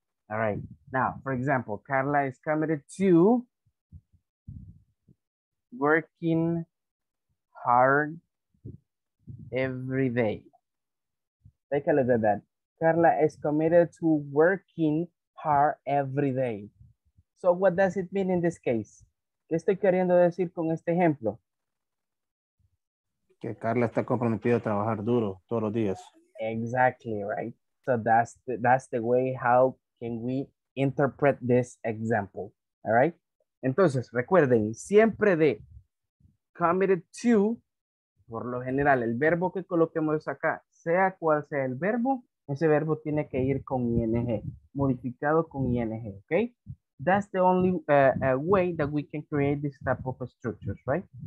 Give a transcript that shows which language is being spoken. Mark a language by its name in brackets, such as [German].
[English] All right, now, for example, Carla is committed to working hard every day. Take a look at that. Carla is committed to working hard every day. So what does it mean in this case? [Spanish] ¿Qué estoy queriendo decir con este ejemplo? Que Carla está comprometida a trabajar duro todos los días. [English] Exactly, right? So that's the way how can we interpret this example, all right? [Spanish] Entonces, recuerden, siempre de committed to, por lo general, el verbo que coloquemos acá, sea cual sea el verbo, ese verbo tiene que ir con ing, modificado con ing, okay? [English] That's the only way that we can create this type of structures, right?